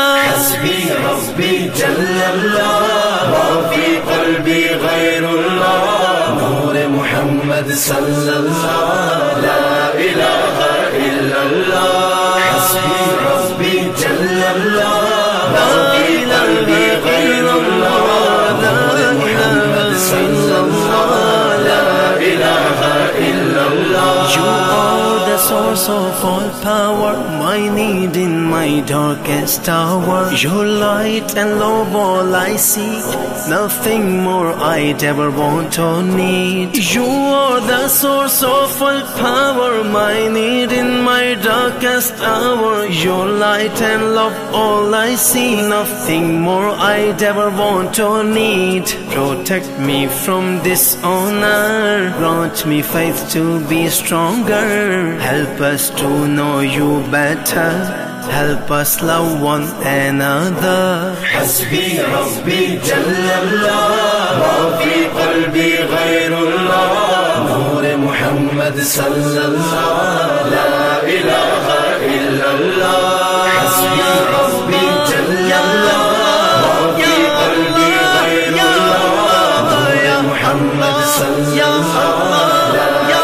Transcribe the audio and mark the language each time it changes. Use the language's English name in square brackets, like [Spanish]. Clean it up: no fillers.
[Arabic] حسبی ربی جل اللہ ما فی قلبی غیر اللہ نور محمد صلی اللہ لا الہ الا اللہ حسبی ربی جل اللہ ما فی قلبی غیر اللہ نور محمد صلی اللہ لا الہ الا اللہ [English] Source of all power, my need in my darkest hour. Your light and love all I seek. Nothing more I'd ever want or need. You are the source of all power, my need in my darkest hour. Your light and love all I see. Nothing more I'd ever want or need. Protect me from dishonor. Grant me faith to be stronger. Help us to know you better. Help us love one another. [Arabic] حسبي ربي جل الله ما في قلبي غير الله نور محمد صلى الله لا إله إلا الله حسبي ربي جل الله ما في قلبي غير الله نور محمد صلى الله